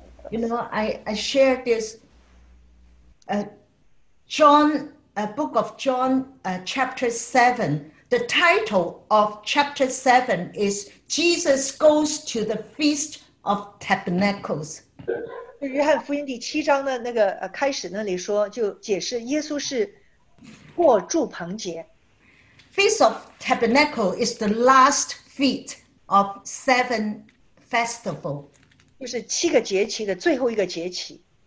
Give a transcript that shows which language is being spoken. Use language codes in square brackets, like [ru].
[en] You know, I share this John, book of John, chapter 7. The title of chapter 7 is Jesus Goes to the Feast of Tabernacles. [zh] 约翰福音第七章的那个开始那里说，就解释耶稣是过住棚节。 [en] Feast of Tabernacle is the last feast of 7 festival. [zh] 就是七个节期的最后一个节期。